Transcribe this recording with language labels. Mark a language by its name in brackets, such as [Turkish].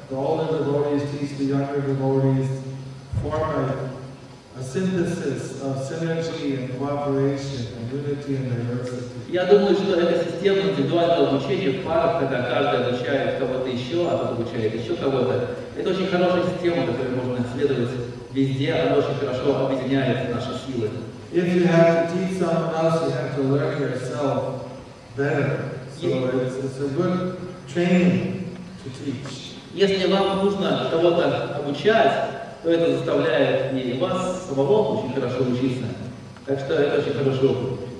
[English] The older devotees teach the younger devotees. Form a synthesis of synergy and cooperation and unity and diversity. [Russian] Я думаю, что эта система индивидуального обучения в парах, когда каждый обучает кого-то еще, а тот обучает еще кого-то, это очень хорошая система, которую можно исследовать везде. Она очень хорошо объединяет наши силы. [English] If you have to teach someone else, you have to learn yourself better. So it's a good training to teach. [Russian] Если вам нужно кого-то обучать, то это заставляет не вас самого очень хорошо учиться. Так что это очень хорошо.